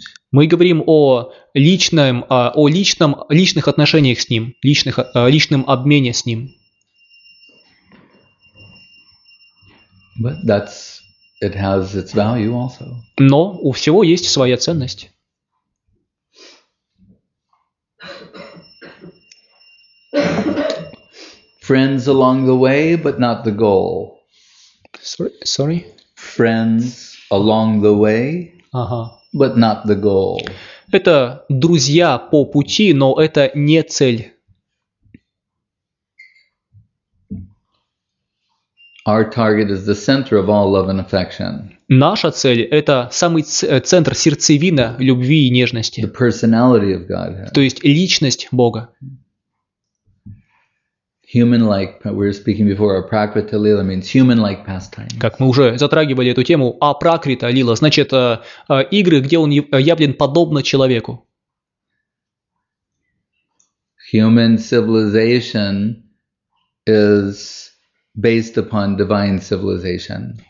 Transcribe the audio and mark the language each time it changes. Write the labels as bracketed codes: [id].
[ru] Мы говорим о личном, о личном, личных отношениях с ним, личных, личном обмене с ним. [en] But that's, it has its value also. [ru] Но у всего есть своя ценность. [en] Friends along the way, but not the goal. Sorry. Friends along the way, but not the goal. [ru] Это друзья по пути, но это не цель. [en] Our target is the center of all love and affection. [ru] Наша цель – это самый центр, сердцевина любви и нежности. [en] The personality of God. [ru] То есть личность Бога. [en] Human-like, we were speaking before, apakrita lila means human-like pastime. [ru] Как мы уже затрагивали эту тему, апракрита лила, значит, игры, где он явлен подобно человеку. [en] Human civilization is based upon divine civilization.